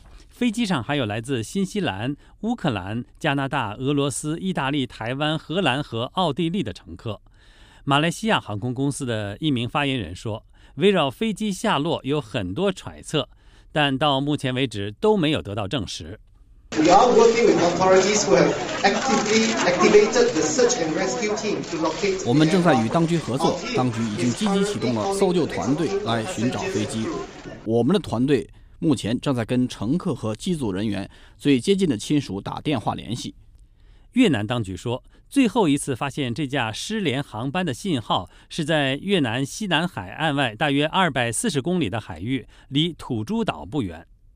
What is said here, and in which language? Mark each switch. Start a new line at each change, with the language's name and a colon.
Chinese: 飞机上还有来自新西兰、乌克兰、加拿大、俄罗斯、意大利、台湾、荷兰和奥地利的乘客。马来西亚航空公司的一名发言人说，围绕飞机下落有很多揣测，但到目前为止都没有得到证实。
English: We are working with authorities who have actively activated the search and rescue team to locate.
Chinese: 我们正在与当局合作，当局已经积极启动了搜救团队来寻找飞机。我们的团队目前正在跟乘客和机组人员最接近的亲属打电话联系。越南当局说，最后一次发现这架失联航班的信号是在越南西南海岸外大约240公里的海域，离土珠岛不远。